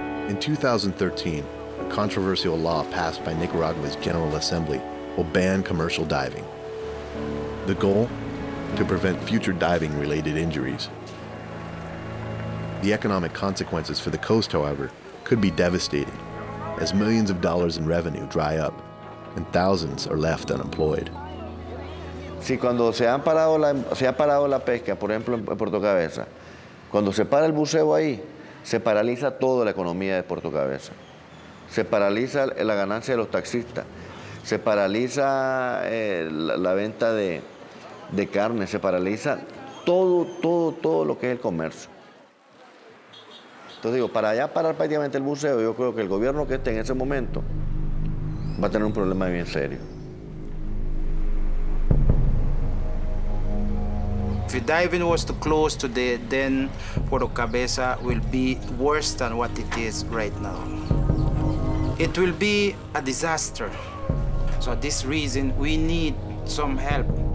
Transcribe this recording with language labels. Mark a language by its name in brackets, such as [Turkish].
[English] In 2013, a controversial law passed by Nicaragua's General Assembly will ban commercial diving. The goal? To prevent future diving-related injuries. The economic consequences for the coast, however, could be devastating, as millions of dollars in revenue dry up and thousands are left unemployed. [Spanish] Si cuando se ha parado la pesca, por ejemplo en Puerto Cabeza, cuando se para el buceo ahí, se paraliza toda la economía de Puerto Cabeza. Se paraliza la ganancia de los taxistas. Se paraliza la venta de carne, se paraliza todo lo que es el comercio. Entonces digo, para allá parar prácticamente el buceo, yo creo que el gobierno que esté en ese momento va a tener un problema bien serio. [English] If diving was to close today, then Puerto Cabeza will be worse than what it is right now. It will be a disaster. So this reason, we need some help.